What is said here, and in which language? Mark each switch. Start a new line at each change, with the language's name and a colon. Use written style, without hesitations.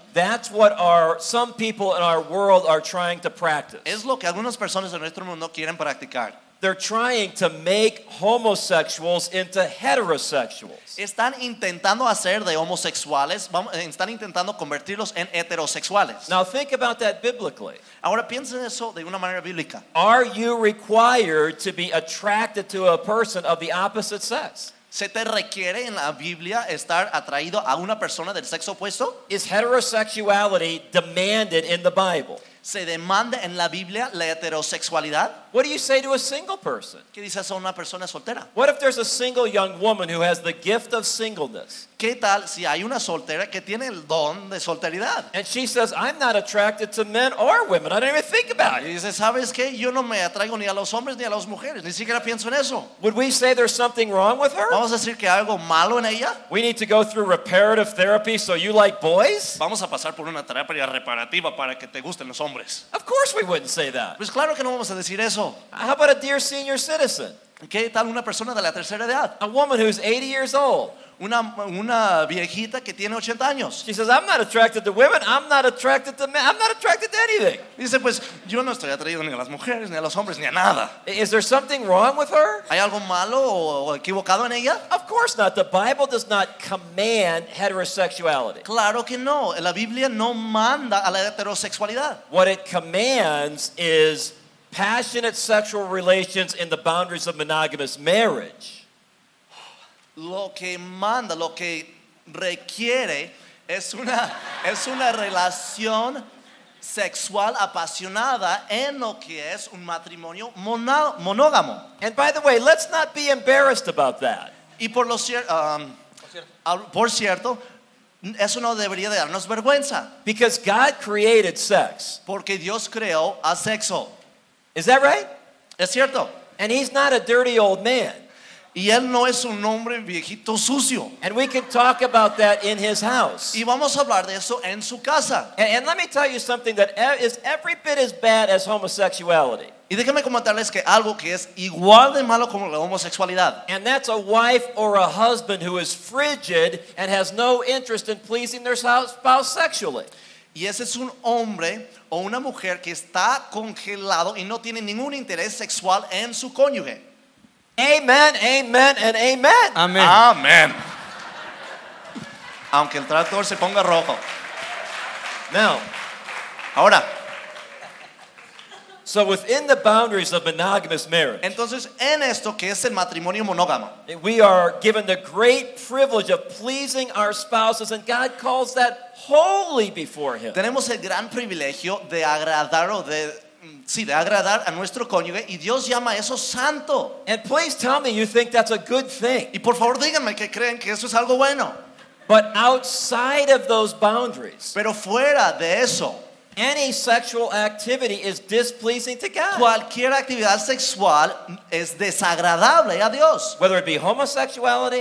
English: That's what some people in our world are trying to practice.
Spanish: Es lo que algunas personas en nuestro mundo quieren practicar.
English: They're trying to make homosexuals into heterosexuals.
Spanish: Están intentando hacer de homosexuales, están intentando convertirlos en heterosexuales.
English: Now think about that biblically.
Spanish: Ahora piensen eso de una manera bíblica.
English: Are you required to be attracted to a person of the opposite sex?
Spanish: ¿Se te requiere en la Biblia estar atraído a una persona del sexo opuesto?
English: Is heterosexuality demanded in the Bible?
Spanish: ¿Se demanda en la Biblia la heterosexualidad?
English: What do you say to a single person?
Spanish: ¿Qué dices a una persona soltera?
English: What if there's a single young woman who has the gift of singleness?
Spanish: ¿Qué tal si hay una soltera que tiene el don de solteridad?
English: And she says, I'm not attracted to men or women. I don't even think about it.
Spanish: Y dice, ¿sabes qué? Yo no me atraigo ni a los hombres ni a las mujeres. Ni siquiera pienso en eso.
English: Would we say there's something wrong with her?
Spanish: ¿Vamos a decir que hay algo malo en ella?
English: We need to go through reparative therapy so you like boys?
Spanish: ¿Vamos a pasar por una terapia reparativa para que te gusten los hombres?
English: Of course we wouldn't say that.
Spanish: Pues claro que no vamos a decir eso.
English: How about a dear senior citizen?
Spanish: ¿Qué tal una persona de la tercera edad?
English: A woman who's 80 years old.
Spanish: Una viejita que tiene 80 años.
English: She says, I'm not attracted to women, I'm not attracted to men, I'm not attracted to anything.
Spanish: Dice, pues, yo no estoy atraído ni a las mujeres, ni a los hombres, ni a nada.
English: Is there something wrong with her?
Spanish: ¿Hay algo malo o equivocado en ella?
English: Of course not. The Bible does not command heterosexuality.
Spanish: Claro que no. La Biblia no manda a la heterosexualidad.
English: What it commands is passionate sexual relations in the boundaries of monogamous marriage.
Spanish: Lo que manda, lo que requiere es una relación sexual apasionada en lo que es un matrimonio monógamo.
English: And by the way, let's not be embarrassed about that.
Spanish: Y por cierto, Eso no debería de darnos vergüenza.
English: Because God created sex.
Spanish: Porque Dios creó a sexo.
English: Is that right?
Spanish: Es cierto.
English: And he's not a dirty old man.
Spanish: Y él no es un hombre viejito sucio.
English: And we can talk about that in his house.
Spanish: Y vamos a hablar de eso en su casa.
English: And let me tell you something that is every bit as bad as homosexuality.
Spanish: Y déjame comentarles que algo que es igual de malo como la homosexualidad.
English: And that's a wife or a husband who is frigid and has no interest in pleasing their spouse sexually.
Spanish: Y ese es un hombre o una mujer que está congelado y no tiene ningún interés sexual en su cónyuge.
English: Amen, amen, and amen.
Spanish: Amen. Amen. Aunque el tractor se ponga rojo.
English: Now.
Spanish: Ahora.
English: So within the boundaries of monogamous marriage.
Spanish: Entonces, en esto que es el matrimonio monógamo.
English: We are given the great privilege of pleasing our spouses, and God calls that holy before him.
Spanish: Tenemos el gran privilegio de agradar o de sí, de agradar a nuestro cónyuge, y Dios llama eso santo.
English: And please tell me you think that's a good thing.
Spanish: Y por favor, díganme que creen que eso es algo bueno.
English: But outside of those boundaries.
Spanish: Pero fuera de eso.
English: Any sexual activity is displeasing to God.
Spanish: Cualquier actividad sexual es desagradable a Dios.
English: Whether it be homosexuality,